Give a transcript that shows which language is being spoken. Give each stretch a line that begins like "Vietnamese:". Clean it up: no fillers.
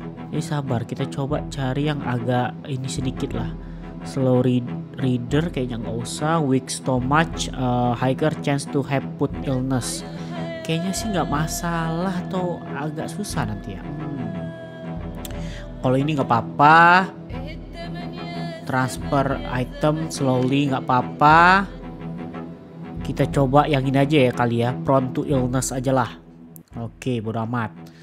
Indonesian: Ini sabar, kita coba cari yang agak ini sedikit lah.
English: Slow reader
Indonesian: kayaknya nggak usah.
English: Weak stomach, higher chance to have food illness.
Indonesian: Kayaknya sih nggak masalah atau agak susah nanti ya. Kalau ini nggak apa-apa,
English: transfer item slowly
Indonesian: nggak apa-apa. Kita coba yang ini aja ya kali ya,
English: prone to illness
Indonesian: aja lah. Oke, bodo amat.